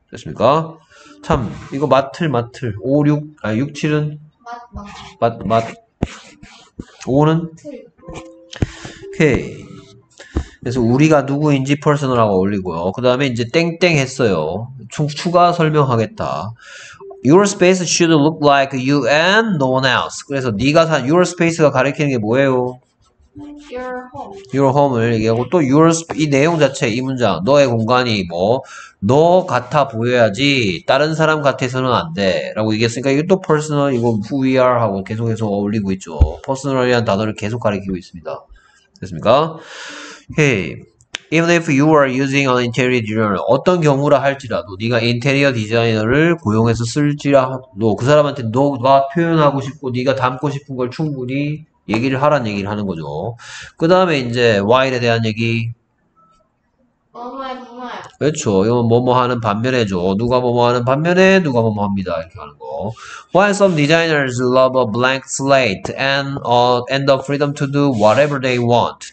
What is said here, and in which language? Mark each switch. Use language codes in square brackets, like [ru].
[ko] 그렇습니까? 참, 이거 맞틀. 5, 6, 아니, 6, 7은? 맞. 5는? 오케이. 그래서 우리가 누구인지 퍼스널하고 어울리고요. 그 다음에 이제 땡땡 했어요. 추가 설명하겠다. [en] Your space should look like you and no one else. [ko] 그래서 [en] your space [ko] 가 가리키는 게 뭐예요? [en] Your home. Your home [ko] 을 얘기하고 또 이 내용 자체, 이 문장. 너의 공간이 뭐, 너 같아 보여야지, 다른 사람 같아서는 안 돼. 라고 얘기했으니까, 이게 또 personal, 이거 [en] who we are [ko] 하고 계속해서 어울리고 있죠. personal이라는 단어를 계속 가리키고 있습니다. 됐습니까? [en] Hey, even if you are using an interior designer, [ko] 어떤 경우라 할지라도, 네가 인테리어 디자이너를 고용해서 쓸지라도, 그 사람한테 너가 표현하고 싶고, 네가 담고 싶은 걸 충분히 얘기를 하란 얘기를 하는 거죠. 그 다음에 이제 while에 대한 얘기. 엄마야, 엄마야. 그렇죠. 이건 뭐뭐 하는 반면에죠. 누가 뭐뭐 하는 반면에 누가 뭐뭐 합니다. 이렇게 하는 거. [en] While some designers love a blank slate and the freedom to do whatever they want.